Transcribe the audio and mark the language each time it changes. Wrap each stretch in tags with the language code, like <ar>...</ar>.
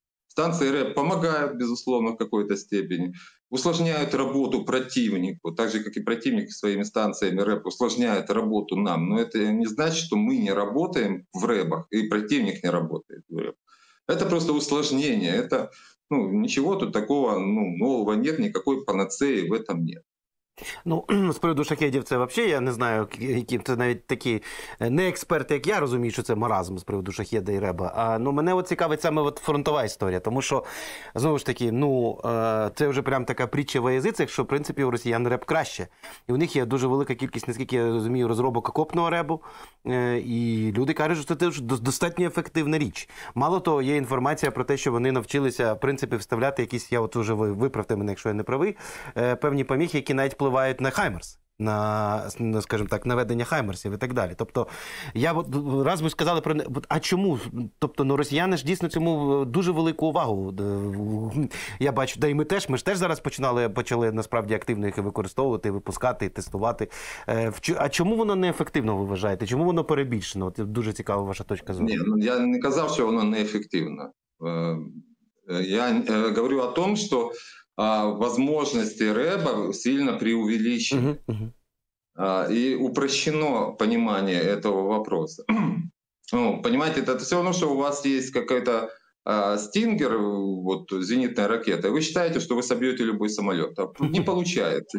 <ru>Станции РЭП помогают, безусловно, в какой-то степени, усложняют работу противнику, так же, как и противник своими станциями РЭП усложняет работу нам. Но это не значит, что мы не работаем в РЭПах, и противник не работает в РЭП. Это просто усложнение, это, ну, ничего тут такого, ну, нового нет, никакой панацеї в этом нет.</ru> <uk>Ну, з приводу шахедів, це взагалі, я не знаю, які, це навіть такі не експерти, як я розумію, що це маразм з приводу шахеда і реба. А, ну, мене от цікавить саме от фронтова історія, тому що, знову ж таки, ну, це вже прям така притча во язицях, що, в принципі, у росіян реб краще. І у них є дуже велика кількість, наскільки я розумію, розробок окопного ребу. І люди кажуть, що це достатньо ефективна річ. Мало того, є інформація про те, що вони навчилися, в принципі, вставляти якісь, я от уже виправте мене, якщо я не правий, певні поміхи, які навіть впливають на «Хаймерс», на, скажімо так, наведення «Хаймерсів» і так далі. Тобто, я раз би сказали про, а чому? Тобто, ну, росіяни ж дійсно цьому дуже велику увагу, я бачу, да і ми ж теж зараз почали насправді активно їх використовувати, випускати, тестувати. А чому воно неефективно, ви вважаєте? Чому воно перебільшено? От дуже цікава ваша точка зору. Ні, я не казав, що воно неефективно.</uk> <ru>Я говорю о том, що возможности РЭБа сильно преувеличены. И упрощено понимание этого вопроса. Ну, понимаете, это все равно, что у вас есть какой-то стингер, вот зенитная ракета, и вы считаете, что вы собьете любой самолет. А не получается.</ru>